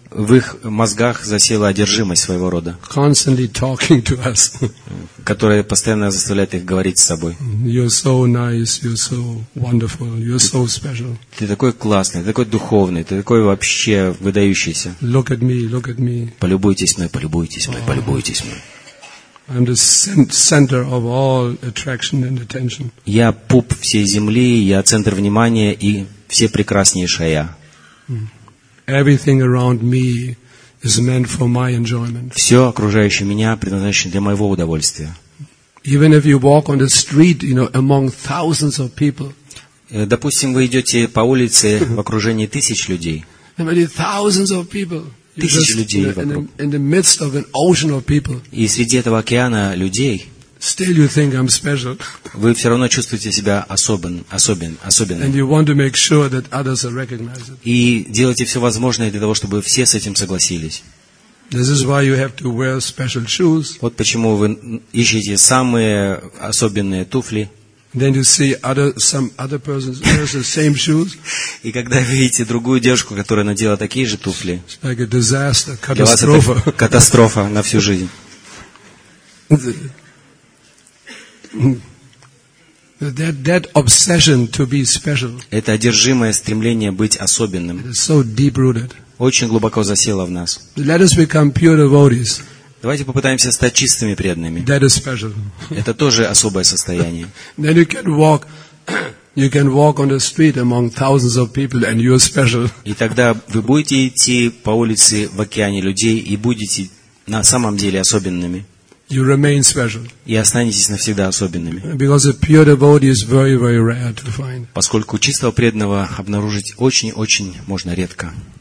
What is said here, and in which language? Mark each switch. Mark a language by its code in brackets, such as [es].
[ru] В их мозгах засела одержимость своего рода. [en] Constantly talking to us. [ru] Которая постоянно заставляет их говорить с собой. [en] You're so nice. You're so wonderful. You're so special. [ru] Ты такой классный. Ты такой духовный. Ты такой вообще выдающийся. [en] Look at me. Look at me. [ru] Полюбуйтесь мной. Полюбуйтесь мной. Полюбуйтесь мной. [en] I'm the center of all attraction and attention. [ru] Я пуп всей земли. Я центр внимания и все прекраснейшая. [en] Everything around me is meant for my enjoyment. [ru] Все окружающее меня предназначено для моего удовольствия. [en] Even if you walk on the street, you know, among thousands of people. [ru] Допустим, вы идете по улице в окружении тысяч людей. [en] Many thousands of people. [ru] Тысяч людей вокруг. [en] In the midst of an ocean of people. [ru] И среди этого океана людей. [en] Still you think I'm special. [ru] Вы все равно чувствуете себя особенным. [en] And you want to make sure that others are recognized. [ru] И делаете все возможное для того, чтобы все с этим согласились. [en] This is why you have to wear special shoes. [ru] Вот почему вы ищете самые особенные туфли. [en] Then you see some other person wears the same shoes. [ru] И когда видите другую девушку, которая надела такие же туфли. [en] It's like a disaster, [ru] катастрофа. Для вас это катастрофа на всю жизнь. [en] That obsession to be special. [ru] Это одержимое стремление быть особенным. [en] It is so deep rooted. [ru] Очень глубоко засело в нас. [en] Let us become pure devotees. [ru] Давайте попытаемся стать чистыми преданными. [en] That is special. [ru] Это тоже особое состояние. [en] Then you can walk on the street among thousands of people and you are special. [ru] И тогда вы будете идти по улице в океане людей и будете на самом деле особенными. [en] You remain special. [ru] И останетесь навсегда особенными. [en] Because a pure devotee is very, very rare to find. [ru] Поскольку чистого преданного обнаружить очень-очень можно редко.